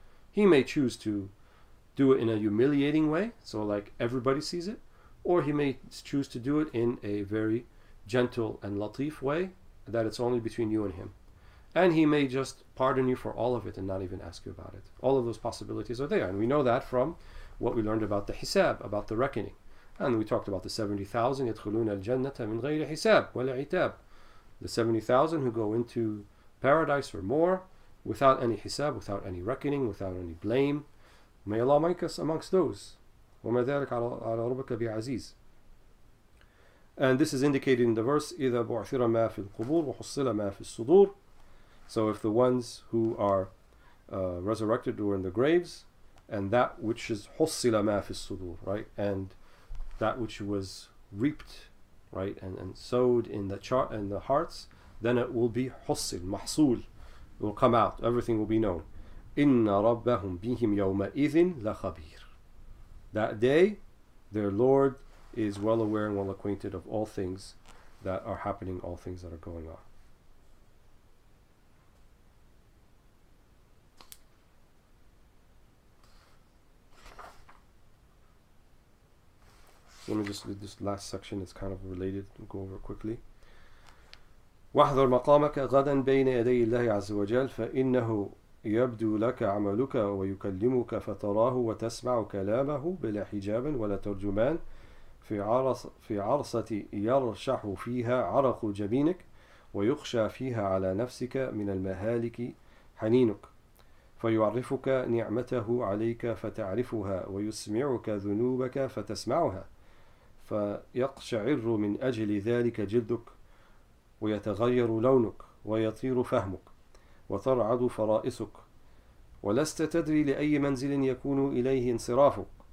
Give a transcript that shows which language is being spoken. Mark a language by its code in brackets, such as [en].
[en] He may choose to do it in a humiliating way, so like everybody sees it, or he may choose to do it in a very gentle and [ar] latif [en] way, that it's only between you and him. And he may just pardon you for all of it and not even ask you about it. All of those possibilities are there. And we know that from what we learned about the hisab, about the reckoning. And we talked about the 70,000, [ar] يَدْخُلُونَ الْجَنَّةَ مِنْ غَيْرِ حِسَابٍ وَلَا عِتَابٍ. [en] The 70,000 who go into paradise or more without any hisab, without any reckoning, without any blame. May Allah make us amongst those. [ar] وَمَا ذَلَكَ عَلَى رَبَكَ بِعَزِيزٍ. [en] And this is indicated in the verse, [ar] إِذَا بُعْثِرَ مَا فِي الْقُبُورِ وَحُصِّلَ مَا فِي الصُّدُورِ. [en] So if the ones who are resurrected were in the graves, and that which is [ar] حُصِّلَ مَا فِي الصُّدُورِ, [en] right? And that which was reaped, right, and sowed in the hearts, then it will be حُصِّل, محصول. It will come out, everything will be known. [ar] إِنَّ رَبَّهُمْ بِهِمْ يَوْمَئِذٍ لَخَبِيرٍ. [en] That day, their Lord is well aware and well acquainted of all things that are happening, all things that are going on. Let me just read this last section. It's kind of related. We'll go over it quickly. [ar] وَاحْذَرْ مَقَامَكَ غَدًا بَيْنَ يَدَيِ اللَّهِ عَزَّ وَجَلَّ فَإِنَّهُ يَبْدُو لَكَ عَمَلُكَ وَيُكَلِّمُكَ فَتَرَاهُ وَتَسْمَعُ كَلَامَهُ بِلَا حِجَابٍ وَلَا تَرْجُمَانٍ فِي عَرْصَةِ يَرْشَحُ فِيهَا عَرَقُ جَبِينِكَ وَيُخْشَى فِيهَا عَلَى نَفْسِكَ مِنَ الْمَهَالِكِ حَنِينُكَ فَيُعْرِفُكَ نِعْمَتَهُ عَلَيْكَ فَتَعْرِفُهَا وَيُسْمِعُكَ ذُنُوبَكَ فَتَسْمَعُهَا فيقشعر من أجل ذلك جلدك ويتغير لونك ويطير فهمك وترعد فرائسك ولست تدري لأي منزل يكون إليه انصرافك